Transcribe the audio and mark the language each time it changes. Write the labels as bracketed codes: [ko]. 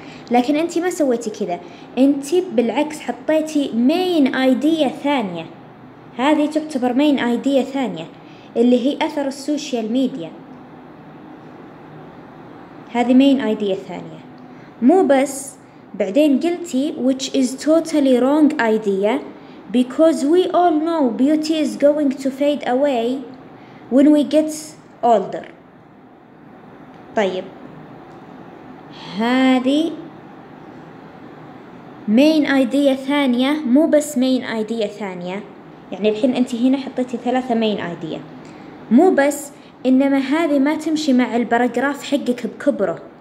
[ar] لكن انت ما سويتي كذا، انت بالعكس حطيتي مين ايديا ثانية. هذه تعتبر مين ايديا ثانية اللي هي أثر السوشيال ميديا، هذه مين ايديا ثانية. مو بس بعدين قلتي [en] which is totally wrong idea because we all know beauty is going to fade away when we get older. [ar] طيب هذه مين ايديا ثانية، مو بس مين ايديا ثانية، يعني الحين انت هنا حطيتي ثلاثة مين ايديا، مو بس انما هذه ما تمشي مع الباراجراف حقك بكبره.